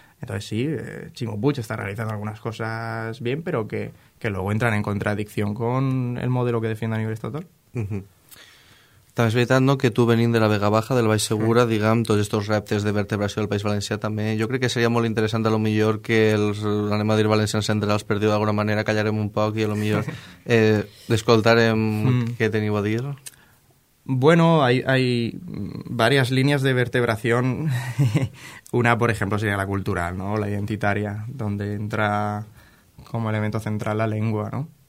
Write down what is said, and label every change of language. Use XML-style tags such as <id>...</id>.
<es>Entonces sí, Ximo Puig está realizando algunas cosas bien, pero que luego entran en contradicción con el modelo que defiende a nivel estatal.</es> <ca>També és veritat, no?, que tu venint de la Vega Baja, del Baix Segura, diguem, tots aquests reptes de vertebració del País Valencià també, jo crec que seria molt interessant, a lo millor, que els, anem a dir valencians centrals, per dir-ho d'alguna manera, callarem un poc i a lo millor escoltarem què teniu a dir.</ca> <es>Bueno, hay varias líneas de vertebración. Una, por ejemplo, sería la cultural, ¿no?, la identitaria, donde entra como elemento central la lengua, ¿no?</es>